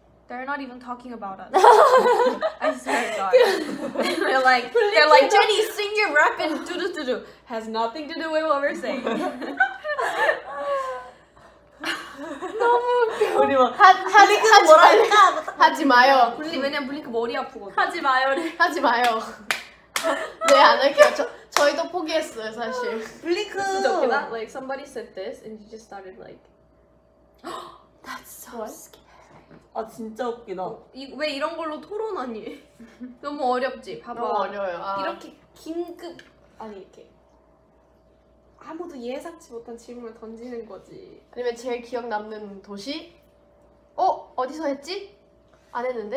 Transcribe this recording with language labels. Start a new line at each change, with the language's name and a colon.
English: They're not even talking about us. I swear to God. They're like, Jenny, sing your rap and do do do do. Has nothing to do with what we're saying.
Korean: 너무 웃겨. 우리 막 블링크는 뭐라 할까? 하지 마요. 왜냐면 블링크 머리 아프거든. 하지 마요래. 하지 마요. 네, 안 할게요. 저희도 포기했어요, 사실. 블링크.
English: Like somebody said this and you just started like. That's so scary.
Korean: 아 진짜 웃기다. 이, 왜 이런 걸로 토론하니? 너무 어렵지? 봐봐. 너무 어려워요. 아. 이렇게 긴급 아니 이렇게 아무도 예상치 못한 질문을 던지는 거지. 아니면 제일 기억 남는 도시? 어? 어디서 했지? 안 했는데?